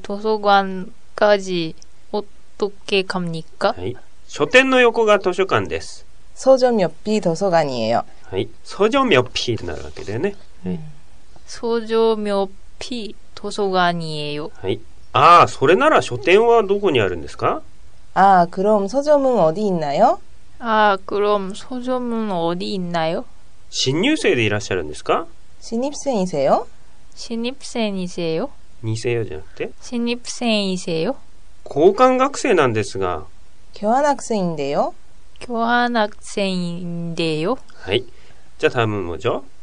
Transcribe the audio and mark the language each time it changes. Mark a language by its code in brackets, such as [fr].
[ko] 図書館까지어떻게갑니까？ [ja] はい。書店の横が図書館です。 [ko] 서점옆이도서관이에요。 [ja] はい、서점옆이ってなるわけだよね。 [ko] 서점옆이도서관이에요。 [ja] はい。ああ、それなら書店はどこにあるんですか？ [ko] 아그럼서점은어디있나요？ 아그럼서점은어디있나요？ [ja] 新入生でいらっしゃるんですか？ [ko] 신입생이세요？ 신입생이세요？ [ja] にせよじゃなくて？ [ko] 신입생이세요？ [ja] 交換学生なんですが。 [ko] 교환학생인데요？ 교환학생인데요。 [ja] はい。じゃあ、 [ko] 다음은뭐죠？